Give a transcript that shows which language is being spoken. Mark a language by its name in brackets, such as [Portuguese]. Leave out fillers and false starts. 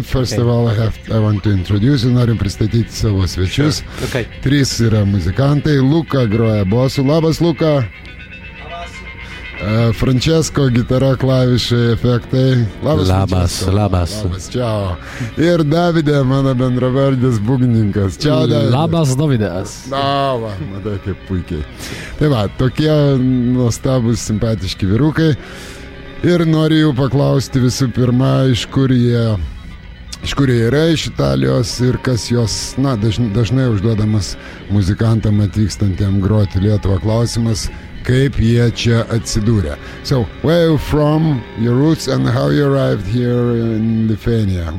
[English] First okay. of all, I want to introduce you. [Lithuanian] Noriu pristatyti savo svečius. [English] Sure. Okay. [Lithuanian] Trys yra muzikantai. Luka groja bosu. Labas, Luka. Francesco, gitara, klavišai, efektai. Labas, labas. Labas, čiau. Ir Davide, mano bendravardis būgnininkas. Čiau, Davide. Labas, Davidas. Na, va, matai, kaip puikiai. Tai va, tokie nuostabūs, simpatiški vyrukai. Ir noriu jau paklausti visų pirma, iš kur jie yra iš Italijos ir kas jos, na, dažnai užduodamas muzikantam atvykstantiem groti Lietuvą klausimas, kaip jie čia atsidūrė. [English] So, where are you from, your roots, and how you arrived here in Lithuania?